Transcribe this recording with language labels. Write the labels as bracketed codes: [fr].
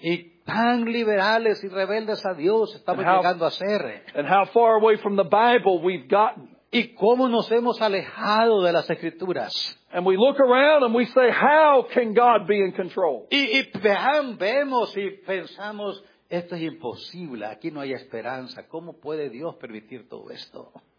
[es] Y tan liberales y rebeldes a Dios estamos llegando a ser. [en] And how far away from the Bible we've gotten. [es] Y cómo nos hemos alejado de las Escrituras. [en] And we look around and we say, how can God be in control? [es] Y vemos y pensamos, esto es imposible, aquí no hay esperanza. ¿Cómo puede Dios permitir todo esto?